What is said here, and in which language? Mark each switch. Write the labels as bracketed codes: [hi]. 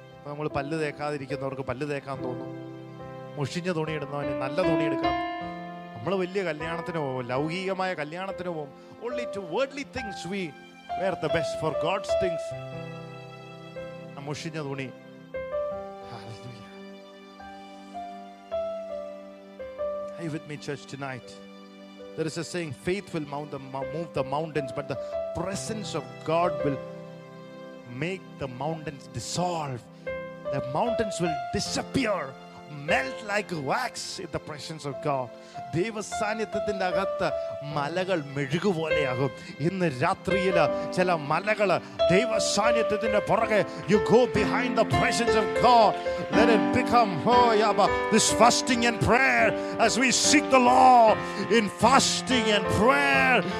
[ml] നമ്മൾ പല്ല് തേക്കാതിരിക്കുന്നവർക്ക് പല്ല് തേക്കാൻ തോന്നും. മുഷിഞ്ഞ തുണി ഇടുന്നവന് നല്ല തുണി എടുക്കാം. നമ്മൾ വലിയ കല്യാണത്തിന് പോകും, ലൗകികമായ കല്യാണത്തിന് പോകും. [en] Only to worldly things we wear the best. For God's things, [ml] amushinja thuni. [en] Hallelujah. Are you with me, church, tonight? There is a saying, faith will move the mountains, but the presence of God will make the mountains dissolve. The mountains will disappear, melt like wax in the presence of God. [ml] ദൈവസാന്നിധ്യത്തിന്റെ അകത്ത് മലകൾ മെഴുകുപോലെയാകും. ഇന്ന് രാത്രിയില് ചില മലകൾ ദൈവസാന്നിധ്യത്തിന്റെ പുറകെ, [en] You go behind the presence of God, let it become ഹോയബ this fasting and prayer as we seek the Lord in fasting and prayer.